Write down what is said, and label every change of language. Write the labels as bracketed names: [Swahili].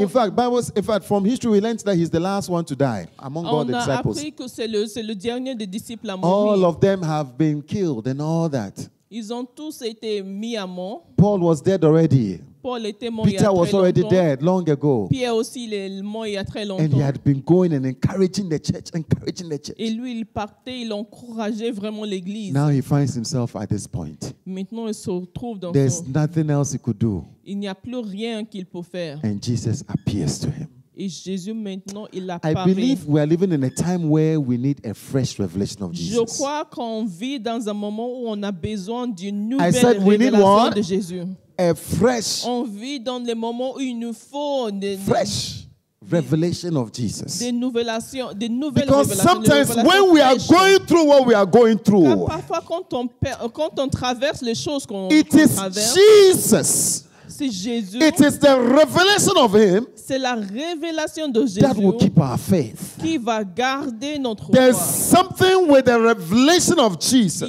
[English] In fact, Bible, in fact, from history, we learned that he's the last one to die among [French] on [English] all the disciples. [French] On a appris que c'est le dernier des disciples à mourir. [English] All of them have been killed and all that. [French] Ils ont tous été mis à mort. [English] Paul was dead already. [French] Paul était mort. [English] Peter was already dead long ago. [French] Pierre aussi est mort il y a très longtemps. [English] And he had been going and encouraging the church, encouraging the church. [French] Et lui, il partait, il encourageait vraiment l'église. [English] Now he finds himself at this point. [French] Maintenant, il se retrouve dans. [English] There's nothing else he could do. [French] Il n'y a plus rien qu'il peut faire. [English] And Jesus appears to him. [French] Et Jésus maintenant il a [English] parlé. I believe we are living in a time where we need a fresh revelation of Jesus. [French] Je crois qu'on vit dans un moment où on a besoin d'une nouvelle révélation de Jésus. [English] A fresh. [French] On vit dans le moment où il nous faut des [English] fresh revelation of Jesus. [French] Des nouvelles révélations. [English] Because sometimes when we are going through what we are going through. [French] Parfois quand on traverse les choses qu'on traverse. [English] It is Jesus. [French] C'est Jésus. [English] It is the revelation of him. [French] C'est la révélation de Jésus. [English] That will keep our faith. [French] Qui va garder notre [English] There's [French] foi. [English] There's something with the revelation of Jesus.